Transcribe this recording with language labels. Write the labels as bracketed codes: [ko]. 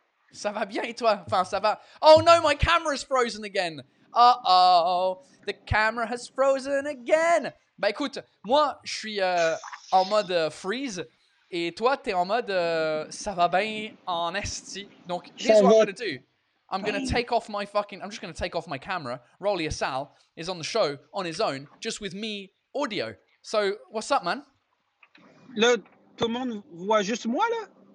[fr] Ça va bien, toi? Enfin, ça va. [en] Oh no, my camera's frozen again. Uh-oh, the camera has frozen again. [fr] Bah écoute, moi, je suis en mode freeze, et toi, t'es en mode ça va bien en esti. [en] Donc, here's what I'm gonna do. I'm gonna take off my fucking... I'm just gonna take off my camera. Rolly Assal is on the show on his own, just with me audio. So, what's up, man? [fr] Là, tout le monde voit juste moi, là?